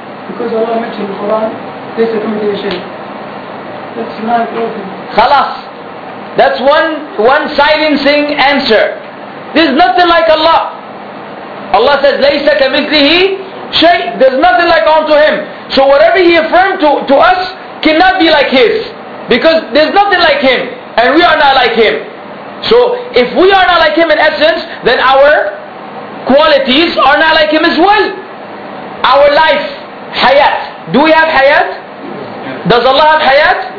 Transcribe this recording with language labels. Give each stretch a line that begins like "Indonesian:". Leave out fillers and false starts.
English: Because Allah mentioned Quran, this accommodation. That's not broken. That's one silencing answer. There's nothing like Allah. Allah says,
Arabic: لَيْسَ كَمِثْلِهِ شَيْءٍ.
English: There's nothing like unto him. So whatever he affirmed to us cannot be like his. Because there's nothing like him. And we are not like him. So if we are not like him in essence, then our qualities are not like him as well. Our life, hayat. Do we have hayat? Does Allah have hayat?